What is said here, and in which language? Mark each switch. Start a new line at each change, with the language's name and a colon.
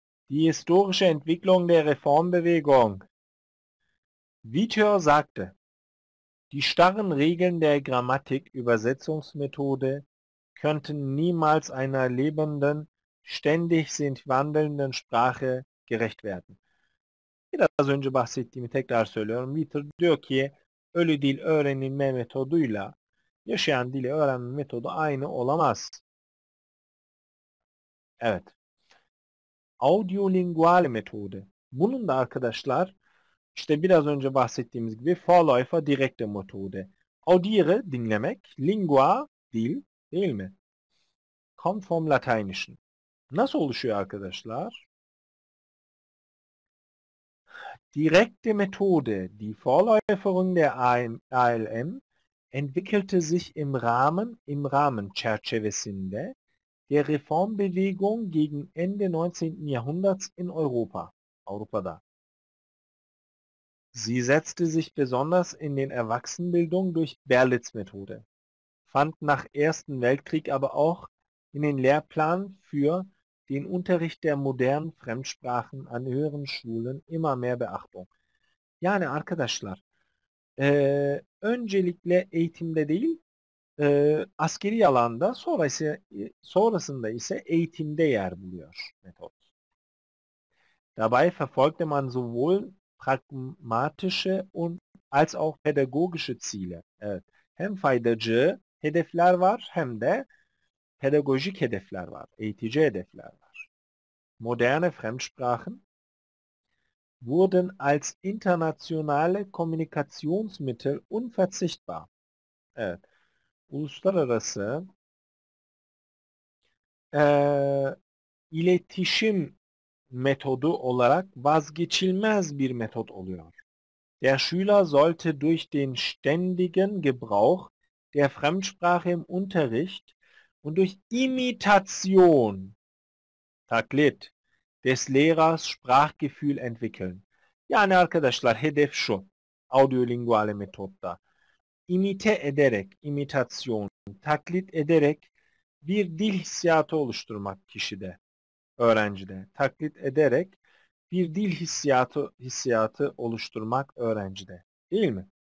German: Die historische Entwicklung der Reformbewegung. Vitor sagte, die starren Regeln der Grammatik-Übersetzungsmethode könnten niemals einer lebenden, ständig sich wandelnden Sprache gerecht werden.
Turkish: Biraz önce bahsettiğimi tekrar söylüyorum. Vitor diyor ki, ölü dil öğrenilme metoduyla yaşayan dili öğrenme metodu aynı olamaz. Evet. Audiolinguale metodu. Bunun da arkadaşlar işte biraz önce bahsettiğimiz gibi
German: Vorläufer direkte metode.
Turkish: Audire dinlemek, lingua dil, değil mi?
German: Kommt vom Lateinischen.
Turkish: Nasıl oluşuyor arkadaşlar?
German: Direkte metode, die Vorläuferin der ALM, entwickelte sich im Rahmen
Turkish: çerçevesinde
German: der Reformbewegung gegen Ende 19. Jahrhunderts in Europa.
Turkish: Avrupa'da.
German: Sie setzte sich besonders in den Erwachsenenbildung durch Berlitz-Methode, fand nach Ersten Weltkrieg aber auch in den Lehrplan für den Unterricht der modernen Fremdsprachen an höheren Schulen immer mehr Beachtung.
Turkish: Yani arkadaşlar, öncelikle eğitimde değil, askeri alanda, sonrasında ise eğitimde yer buluyor metot.
German: Dabei verfolgte man sowohl pragmatische und als auch pädagogische Ziele.
Turkish: Evet. Hem faydacı hedefler var hem de pedagojik hedefler var. Eğitici hedefler var.
German: Moderne Fremdsprachen wurden als internationale Kommunikationsmittel unverzichtbar.
Turkish: Evet. Uluslararası iletişim metodu olarak vazgeçilmez bir metot oluyor.
German: Der Schüler sollte durch den ständigen Gebrauch der Fremdsprache im Unterricht und durch Imitation,
Turkish: Taklit,
German: des Lehrers Sprachgefühl entwickeln.
Turkish: Yani arkadaşlar hedef şu, audiolinguale metotta. İmite ederek, imitasyon, taklit ederek bir dil hissiyatı oluşturmak kişide, öğrencide. Taklit ederek bir dil hissiyatı oluşturmak öğrencide, değil mi?